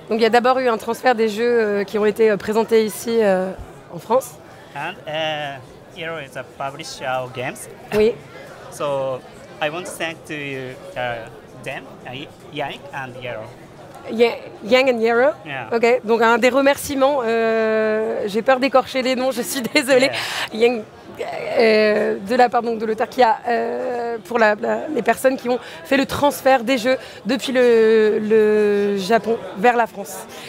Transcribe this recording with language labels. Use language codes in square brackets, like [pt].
[fr] Donc il y a d'abord eu un transfert des jeux qui ont été présentés ici en France. [en] And Yellow is a publisher of our games. [fr] Oui. [en] So I want to thank to them, Yannick and Yellow. Yang and Yero. Yeah. [fr] Ok. Donc un des remerciements. J'ai peur d'écorcher les noms. Je suis désolée. Yeah. Yang. De la part donc de l'auteur qui a pour les personnes qui ont fait le transfert des jeux depuis le Japon vers la France.